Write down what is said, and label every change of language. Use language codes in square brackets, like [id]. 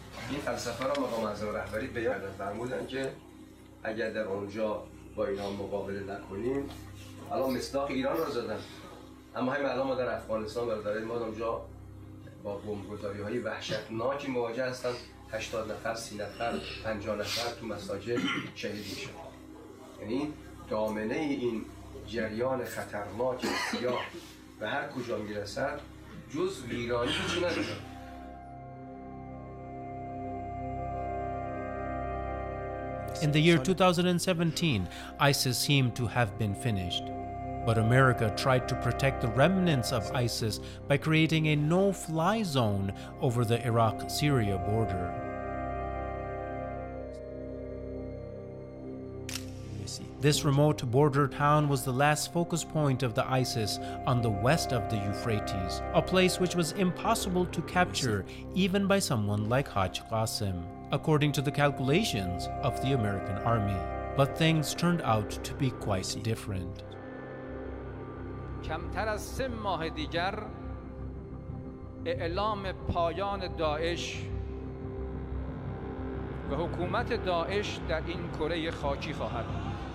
[fa] این فلسفه را آقا منظور رهبری به یادت فرمودن که اگر در اونجا با ایران مقابله نکنیم الان مصداق ایران را زدن، اما همین الان ما در افغانستان برادرای ما اونجا با بمب‌گذاری های وحشتناکی مواجه هستن، 80 نفر 30 نفر 50 نفر تو مساجد شهید میشن. یعنی دامنه این جریان خطرناک سیاه به هر کجا میرسد جز ویرانی چی نداره. [en] In the year 2017, ISIS seemed to have been finished. But America tried to protect the remnants of ISIS by creating a no-fly zone over the Iraq-Syria border. This remote border town was the last focus point of the ISIS on the west of the Euphrates, a place which was impossible to capture even by someone like Haj Qasim, according to the calculations of the American army. But things turned out to be quite different. [fa] کمتر از 3 ماه دیگر اعلام پایان داعش و حکومت داعش در این کره خاکی خواهد بود.